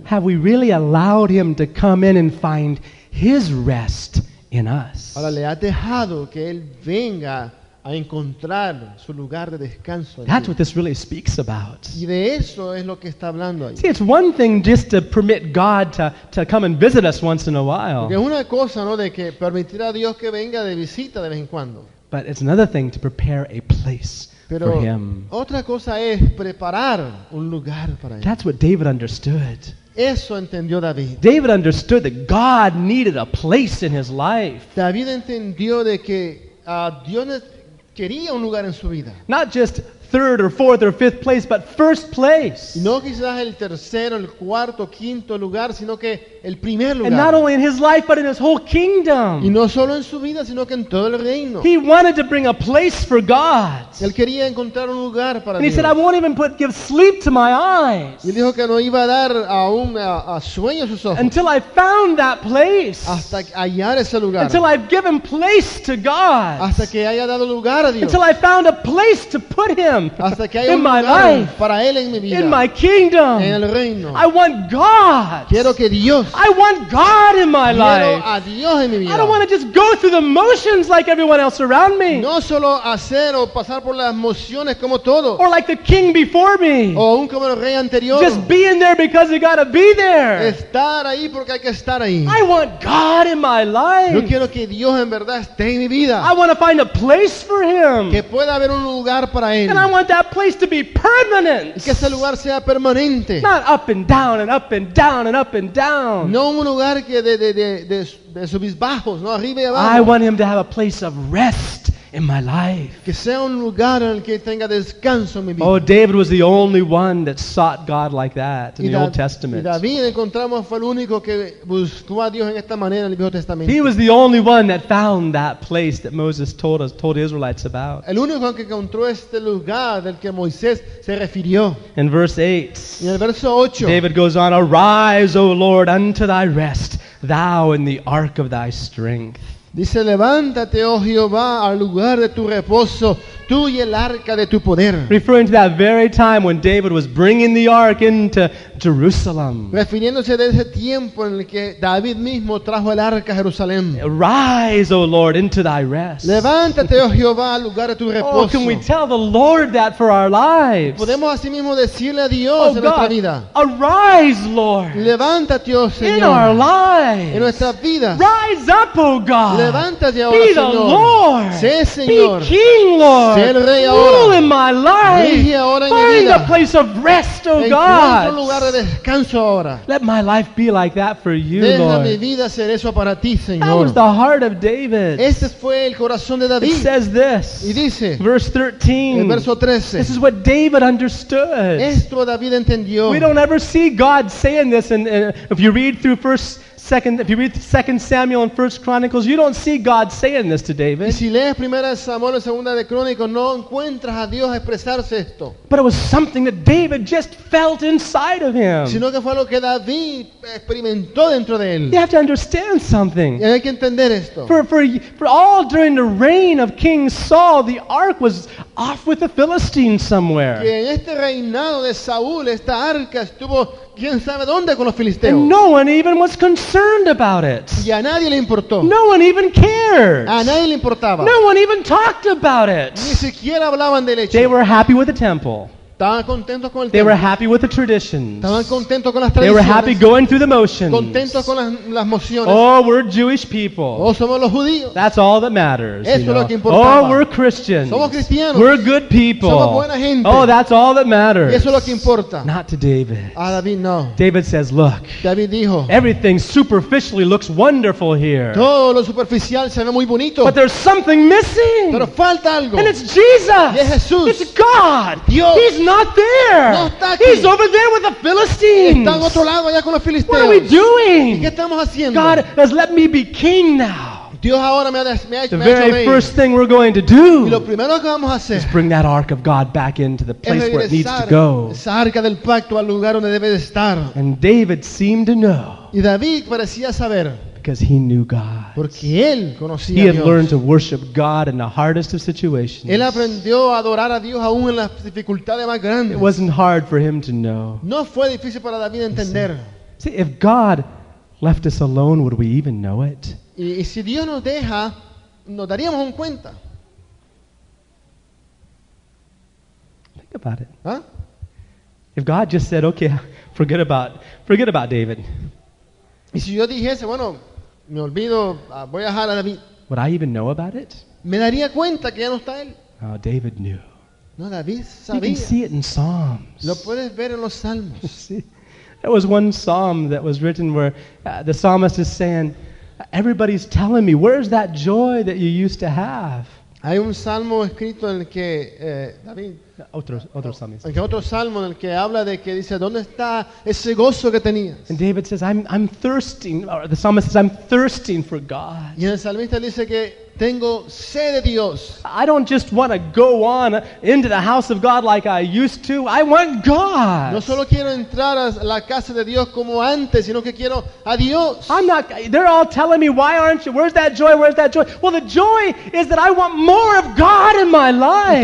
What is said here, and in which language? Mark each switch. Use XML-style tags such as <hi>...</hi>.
<en>Have we really allowed him to come in and find his rest in us?</en> <es>Ahora, ¿le has dejado que él venga a encontrar su lugar de descanso?</es> <en>That's what this really speaks about.</en> <es>Y de eso es lo que está hablando ahí.</es> <en>See, it's one thing just to permit God to come and visit us once in a while.</en> <es>Porque es una cosa, ¿no?, de que permitir a Dios que venga de visita de vez en cuando.</es> <en>But it's another thing to prepare a place</en> <es>Pero</es> <en>for him.</en> <es>Otra cosa es preparar un lugar para él.</es> <en>That's what David understood.</en> <es>Eso entendió David.</es> <en>David understood that God needed a place in his life.</en> <es>David entendió de que Dios quería un lugar en su vida.</es> <en>Not just third or fourth or fifth place, but first place.</en> <es>No quizás el tercero, el cuarto, quinto lugar, sino que el primer lugar.</es> <en>And not only in his life, but in his whole kingdom.</en> <es>Y no solo en su vida, sino que en todo el reino.</es> <en>He wanted to bring a place for God.</en> <es>Él quería encontrar un lugar para</es> <en>and</en> <es>Dios.</es> <en>He said, I won't even give sleep to my eyes.</en> <es>Y dijo que no iba a dar aún a sueño a sus ojos.</es> <en>Until I found that place.</en> <es>Hasta hallar ese lugar.</es> <en>Until I've given place to God.</en> <es>Hasta que haya dado lugar a Dios.</es> <en>Until I found a place to put him.</en> <es>Hasta que haya</es> <en>in my life,</en> <es>para él en mi vida,</es> <en>in my kingdom,</en> <es>en el reino.</es> <en>I want God.</en> <es>Quiero que Dios.</es> <en>I want God in my life.</en> <es>Quiero a Dios en mi vida.</es> <en>I don't want to just go through the motions like everyone else around me.</en> <es>No solo hacer o pasar por las emociones como todos.</es> <en>Or like the king before me.</en> <es>O aún como el rey anterior.</es> <en>Just being there because you got to be there.</en> <es>Estar ahí porque hay que estar ahí.</es> <en>I want God in my life.</en> <es>Yo quiero que Dios en verdad esté en mi vida.</es> <en>I want to find a place for him.</en> <es>Que pueda haber un lugar para él.</es> <en>And I want that place to be permanent.</en> <es>Que ese lugar sea permanente.</es> <en>Not up and down and up and down and up and down.</en> <es>No un lugar que de subir bajos, no arriba y abajo.</es> <en>I want him to have a place of rest in my life.</en> <es>Que sea un lugar en el que tenga descanso en mi vida.</es> <en>Oh, David was the only one that sought God like that in the Old Testament.</en> <es>Y David encontramos fue el único que buscó a Dios en esta manera en el Viejo Testamento.</es> <en>He was the only one that found that place that Moses told the Israelites about.</en> <es>El único que encontró este lugar del que Moisés se refirió.</es> <en>In verse 8.</en> <es>Y el verso 8.</es> <en>David goes on, "Arise, O Lord, unto thy rest, thou in the ark of thy strength."</en> <es>Dice, levántate, oh Jehová, al lugar de tu reposo, tú y el arca de tu poder.</es> <en>Referring to that very time when David was bringing the ark into Jerusalem.</en> <es>Refiriéndose de ese tiempo en el que David mismo trajo el arca a Jerusalén.</es> <en>Rise, oh Lord, into thy rest.</en> <es>Levántate, oh Jehová, al lugar de tu reposo.</es> <en>Oh, can we tell the Lord that for our lives?</en> <es>Podemos así mismo decirle a Dios oh, en</es> <en>God,</en> <es>nuestra vida.</es> <en>Arise, Lord.</en> <es>Levántate, oh Señor.</es> <en>In our lives.</en> <es>En nuestra vida.</es> <en>Rise up, oh God.</en> <es>Levántate ahora, Señor.</es> <en>Be the Lord.</en> <es>Sé, Señor.</es> <en>Be King, Lord.</en> <es>Sé el rey ahora.</es> <en>Rule in my life.</en> <es>Rige ahora</es> <en>find</en> <es>en mi vida.</es> <en>A place of rest, oh God.</en> <es>Un lugar de descanso ahora.</es> <en>Let my life be like that for you,</en> <es>Deja</es> <en>Lord.</en> <es>Mi vida ser eso para ti, Señor.</es> <en>That was the heart of David.</en> <es>Ese fue el corazón de David.</es> <en>It says this.</en> <es>Y dice,</es> <en>verse 13.</en> <es>El verso 13.</es> <en>This is what David understood.</en> <es>Esto David entendió.</es> <en>We don't ever see God saying this, and if you read through first. Second, if you read 2 Samuel and 1 Chronicles, you don't see God saying this to David.</en> <es>Y si lees primera de Samuel y segunda de Crónicas, no encuentras a Dios expresarse esto.</es> <en>But it was something that David just felt inside of him.</en> <es>Sino que fue lo que David experimentó dentro de él.</es> <en>You have to understand something.</en> <es>Y hay que entender esto.</es> <en>For all during the reign of King Saul, the ark was off with the Philistines somewhere.</en> <es>Que en este reinado de Saúl, esta arca estuvo... ¿Quién sabe dónde con los filisteos?</es> <en>And no one even was concerned about it.</en> <es>Y a nadie le importó.</es> <en>No one even cared.</en> <es>A nadie le importaba.</es> <en>No one even talked about it.</en> <es>Ni siquiera hablaban del hecho.</es> <en>They were happy with the temple.</en> <es>Estaban contentos con el</es> <en>templo. They were happy with the traditions.</en> <es>Estaban contentos con las tradiciones.</es> <en>They were happy going through the motions.</en> <es>Contentos con las mociones.</es> <en>Oh, we're Jewish people.</en> <es>Oh, somos los judíos.</es> <en>That's all that matters.</en> <es>Eso es lo que importa.</es> <en>Oh, we're Christians.</en> <es>Somos cristianos.</es> <en>We're good people.</en> <es>Somos buena gente.</es> <en>Oh, that's all that matters.</en> <es>Eso es lo que importa.</es> <en>Not to David.</en> <es>A David no.</es> <en>David says, look.</en> <es>David dijo.</es> <en>Everything superficially looks wonderful here.</en> <es>Todo lo superficial se ve muy bonito.</es> <en>But there's something missing.</en> <es>Pero falta algo.</es> <en>And it's Jesus.</en> <es>Y es Jesús.</es> <en>It's God.</en> <es>Dios.</es> <en>He's not there.</en> <es>No está aquí.</es> <en>He's over there with the Philistines.</en> <es>Está en otro lado allá con los filisteos.</es> <en>What are we doing?</en> <es>¿Y qué estamos haciendo?</es> <en>God has let me be king now.</en> <es>Dios ahora me ha,</es> <en>the</en> <es>me</es> <en>very</en> <es>ha hecho</es> <en>first</en> <es>rey.</es> <en>Thing we're going to do</en> <es>y lo primero que vamos a hacer</es> <en>is bring that ark of God back into the place where it needs to go.</en> <es>Esa arca del pacto al lugar donde debe de estar.</es> <en>And David seemed to know.</en> <es>Y David parecía saber.</es> <en>Because he knew God.</en> <es>Porque él conocía a Dios.</es> <en>He had learned to worship God in the hardest of situations.</en> <es>Él aprendió a adorar a Dios aún en las dificultades más grandes.</es> <en>It wasn't hard for him to know.</en> <es>No fue difícil para David entender.</es> <en>See, if God left us alone, would we even know it?</en> <es>Y si Dios nos deja, nos daríamos un cuenta.</es> <en>Think about it. Huh? If God just said, okay, forget about David.</en> <es>Y si yo dijese, bueno, me olvido, voy a dejar a David.</es> <en>Would I even know about it?</en> <es>Me daría cuenta que ya no está él.</es> <en>Oh, David knew.</en> <es>No, David sabía.</es> <en>You can see it in Psalms.</en> <es>Lo puedes ver en los Salmos.</es> <en>You see, there was one psalm that was written where the psalmist is saying, everybody's telling me, where's that joy that you used to have?</en> <es>Hay un salmo escrito en el que David otro salmo. En que otro salmo en el que habla de que dice, ¿dónde está ese gozo que tenías?</es> <en>And David says, I'm thirsting, or the psalmist says, I'm thirsting for God.</en> <es>Y el salmista dice que tengo sed de Dios.</es> <en>I don't just want to go on into the house of God like I used to. I want God.</en> <es>No solo quiero entrar a la casa de Dios como antes, sino que quiero a Dios.</es> <en>I'm not. They're all telling me, why aren't you? Where's that joy? Where's that joy? Well, the joy is that I want more of God in my life.</en>